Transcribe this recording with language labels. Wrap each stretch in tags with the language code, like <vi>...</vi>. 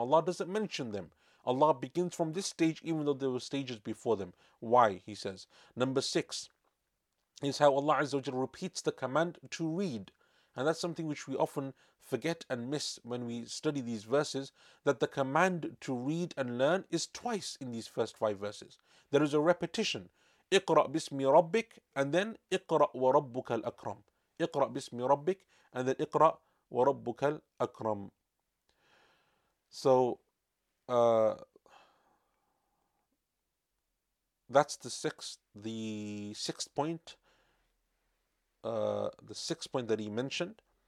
<en>Allah doesn't mention them. Allah begins from this stage even though there were stages before them. Why? He says. Number six is how Allah Azza wa Jalla repeats the command to read. And that's something which we often forget and miss when we study these verses, that the command to read and learn is twice in these first five verses. There is a repetition.</en> <ar>اقرأ باسم ربك</ar> <en>and then</en> <ar>اقرأ وربك الأكرم. اقرأ باسم ربك</ar> <en>and then</en> <ar>اقرأ وربك الأكرم.</ar> <en>So that's the sixth point that he mentioned.</en>